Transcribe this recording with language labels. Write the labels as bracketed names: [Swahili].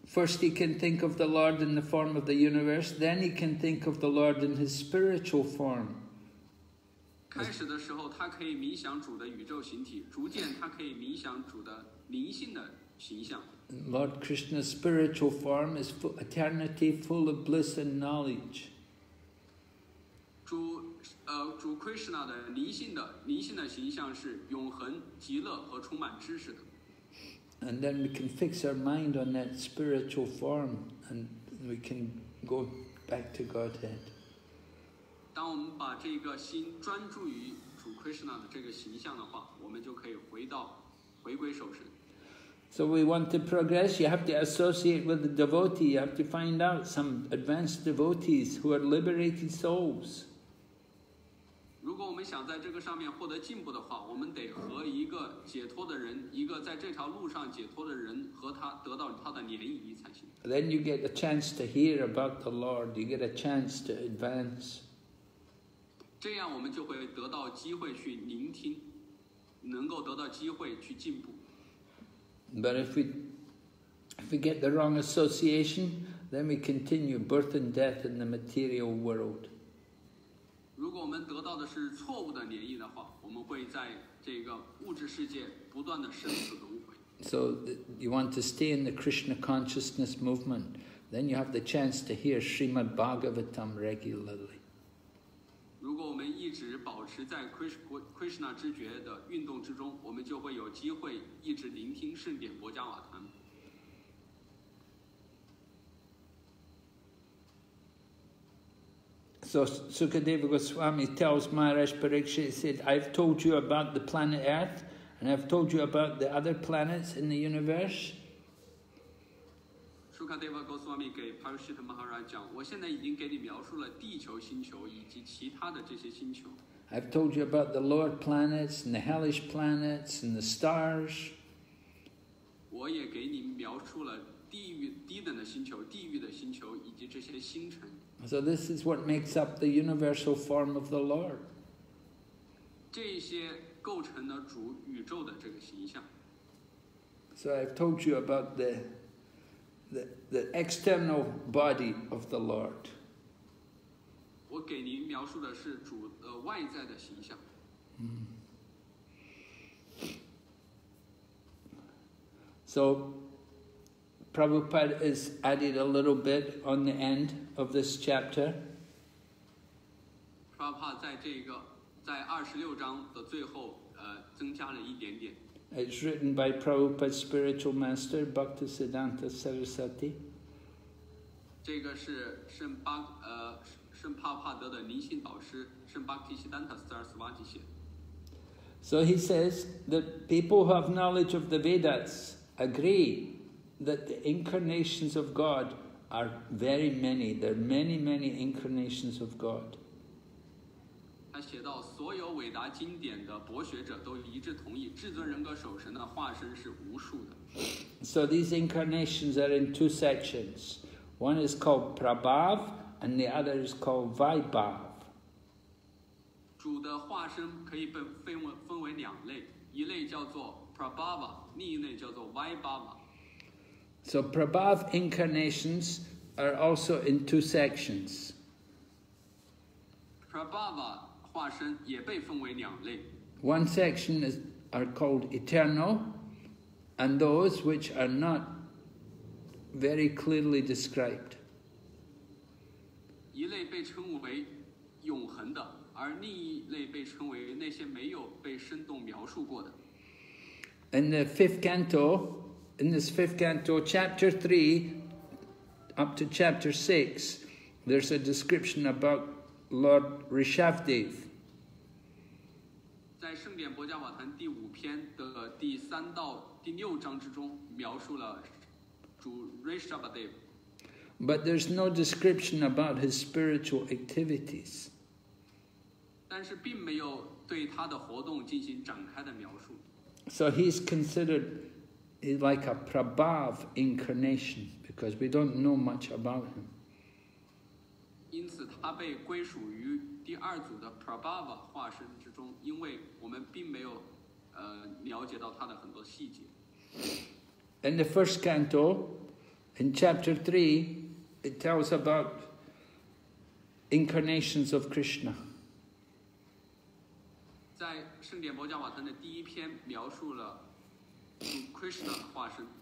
[English] First, he can think of the Lord in the form of the universe. Then he can think of the Lord in his spiritual form. [Chinese] 开始的时候，他可以冥想主的宇宙形体，逐渐他可以冥想主的灵性的形象。 [English] Lord Krishna's spiritual form is eternity, full of bliss and knowledge. [Chinese] 主 Krishna 的灵性的形象是永恒、极乐和充满知识的。 [English] And then we can fix our mind on that spiritual form, and we can go back to Godhead. [Chinese] 当我们把这个心专注于主 Krishna 的这个形象的话，我们就可以回归受持。 [English] So we want to progress. You have to associate with the devotee. You have to find out some advanced devotees who are liberated souls. [Chinese] 如果我们想在这个上面获得进步的话，我们得和一个解脱的人，一个在这条路上解脱的人，和他得到他的联谊才行。 [English] Then you get a chance to hear about the Lord. You get a chance to advance. [Chinese] 这样我们就会得到机会去聆听，能够得到机会去进步。 [English] But if we get the wrong association, then we continue birth and death in the material world. [Chinese] 如果我们得到的是错误的联谊的话，我们会在这个物质世界不断的生死轮回。 [English] So you want to stay in the Krishna consciousness movement, then you have the chance to hear Srimad Bhagavatam regularly. [Chinese] 如果我们一直保持在 Krishna 知觉的运动之中，我们就会有机会一直聆听圣典薄伽瓦坛。 [English] So Sukadeva Goswami tells Maharaj Parikshit, he said, I've told you about the planet Earth, and I've told you about the other planets in the universe. [Chinese] Sukadeva Goswami 给 Parikshit Maharaj 讲，我现在已经给你描述了地球、星球以及其他的这些星球。 [English] I've told you about the lower planets and the hellish planets and the stars. [Chinese] 我也给你描述了地狱、低等的星球、地狱的星球以及这些星辰。 [English] So this is what makes up the universal form of the Lord. [Chinese] 这些构成了主宇宙的这个形象。 [English] So I've told you about the external body of the Lord. [Chinese] 我给您描述的是主的外在的形象。 [English] So Prabhupada has added a little bit on the end of this chapter. [Chinese] Prabhupada 在这个在二十六章的最后增加了一点点。 [English] It's written by Prabhupada's spiritual master, Bhaktisiddhanta Sarasvati. [Chinese] 这个是圣巴圣帕帕德的灵性导师圣巴提西丹塔斯尔斯瓦吉写。 [English] So he says that people who have knowledge of the Vedas agree that the incarnations of God are very many. There are many, many incarnations of God. [Chinese] 他写到，所有伟达经典的博学者都一致同意，至尊人格守神的化身是无数的。 [English] So these incarnations are in two sections. One is called Prabhav, and the other is called Vaibhav. [Chinese] 主的化身可以分为两类，一类叫做 Prabhava， 另一类叫做 Vaibhava。 [English] So Prabhav incarnations are also in two sections. [Chinese] Prabhava 化身也被分为两类。 [English] One section is are called eternal, and those which are not very clearly described. [Chinese] 一类被称为永恒的。而另一类被称为那些没有被生动描述过的。 [English] In the fifth canto, in this fifth canto, chapter 3 up to chapter 6, there's a description about Lord Rishabhdev. [Chinese] 在圣典博迦瓦坛第五篇的第三到第六章之中，描述了主 Rishabhdev. [English] But there's no description about his spiritual activities. [Chinese] 但是并没有对他的活动进行展开的描述。 [English] So he's considered like a Prabhav incarnation because we don't know much about him. [Chinese] 因此他被归属于第二组的 Prabhav 化身之中，因为我们并没有了解到他的很多细节。 [English] In the first canto, in chapter 3, it tells about incarnations of Krishna. [Chinese] 在圣典博迦瓦坛的第一篇描述了 Krishna 的化身。